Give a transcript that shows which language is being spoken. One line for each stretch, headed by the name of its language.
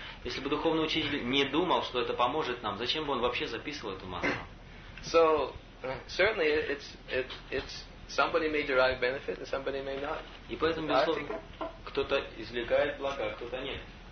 Russian: Если бы духовный учитель не думал, что это поможет нам, зачем бы он вообще записывал эту мантру?
English: So certainly it's somebody may derive benefit and somebody may not.
Russian: И поэтому безусловно, кто-то извлекает благо, а кто-то нет.